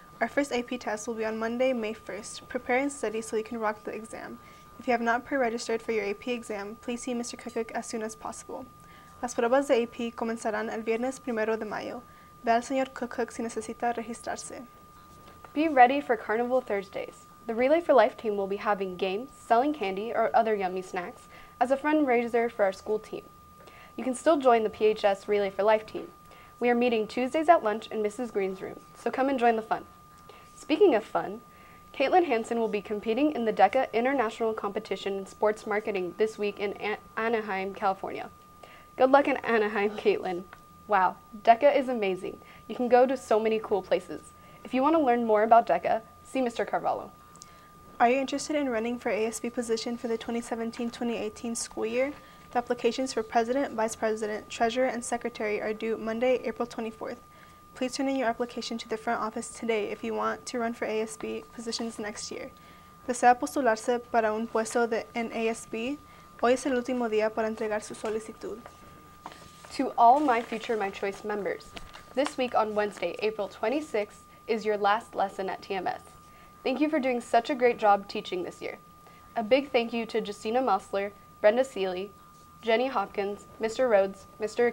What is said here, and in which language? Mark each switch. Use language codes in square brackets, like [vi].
[en] Our first AP test will be on Monday, May 1st. Prepare and study so you can rock the exam. If you have not pre-registered for your AP exam, please see Mr. Kukuk as soon as possible. [es] Las pruebas de AP comenzarán el viernes 1 de mayo. Ve al señor Kukuk si necesita registrarse. [en] Be ready for Carnival Thursdays. The Relay for Life team will be having games, selling candy or other yummy snacks as a fundraiser for our school team. You can still join the PHS Relay for Life team. We are meeting Tuesdays at lunch in Mrs. Green's room, so come and join the fun. Speaking of fun, Caitlin Hansen will be competing in the DECA International Competition in Sports Marketing this week in Anaheim, California. Good luck in Anaheim, Caitlin. Wow, DECA is amazing. You can go to so many cool places. If you want to learn more about DECA, see Mr. Carvalho. Are you interested in running for ASB position for the 2017-2018 school year? The applications for President, Vice President, Treasurer, and Secretary are due Monday, April 24th. Please turn in your application to the front office today if you want to run for ASB positions next year. [es] ¿Desea postularse para un puesto en ASB? Hoy es el último día para entregar su solicitud. [en] To all my Future My Choice members, this week on Wednesday, April 26th, is your last lesson at TMS. Thank you for doing such a great job teaching this year. A big thank you to Justina Mosler, Brenda Seeley, Jenny Hopkins, Mr. Rhodes, Mr.